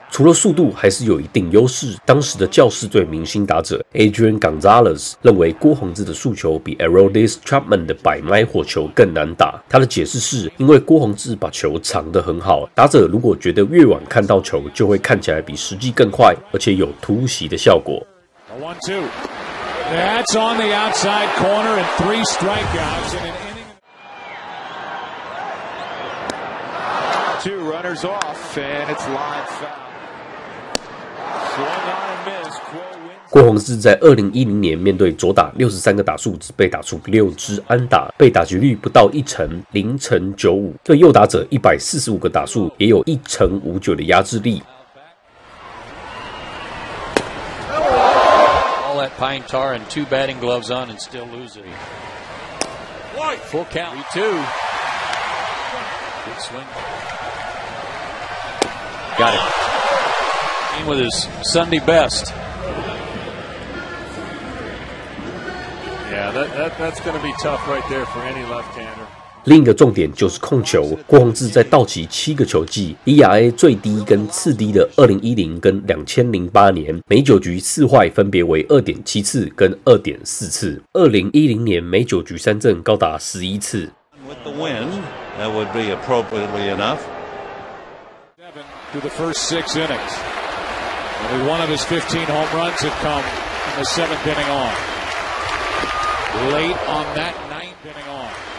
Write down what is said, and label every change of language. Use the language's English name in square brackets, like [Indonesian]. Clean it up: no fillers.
[Chinese] 除了速度还是有一定优势，当时的教士队明星打者 Adrian Gonzalez 认为郭宏志的诉求比 Aroldis Chapman 的百迈火球更难打。他的解释是因为郭宏志把球藏得很好，打者如果觉得越晚看到球就会看起来比实际更快，而且有突袭的效果。 [English] That's on the outside corner and three strikeouts in an inning. Two runners off and it's live foul. Swung on and missed. [Chinese] 郭宏志在2010年面对左打63个打数，只被打出6支安打，被打局率不到一成，0.95%。对右打者145个打数，也有1.59%的压制力。 [English] Pine tar and two batting gloves on and still losing. White. Full count. 3-2. Good swing. Got it. Came with his Sunday best. Yeah, that's going to be tough right there for any left-hander. [Chinese] 另一个重点就是控球。郭宏志在道奇七个球季 ，ERA 最低跟次低的2010跟2008年，每九局四坏分别为 2.7 次跟 2.4 次。 2010年每九局三振高达11次。 [English] With the win, that would be appropriately enough. Seven to the first six innings. Only one of his 15 home runs have come in the seventh inning on. Late on that ninth inning on.